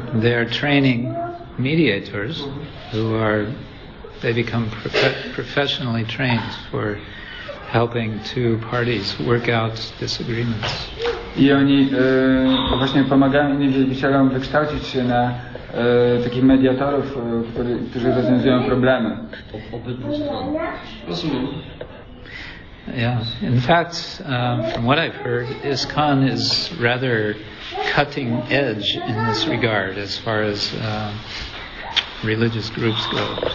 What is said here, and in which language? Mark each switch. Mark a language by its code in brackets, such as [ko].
[en] And they're training mediators who are, they become professionally trained for helping two parties work out disagreements. [pl] I oni właśnie pomagają innym wielbicielom wykształcić się na takich mediatorów, którzy rozwiązują problemy. [en] Yeah. In fact, from what I've heard, ISKCON is rather cutting edge in this regard as far as religious groups go.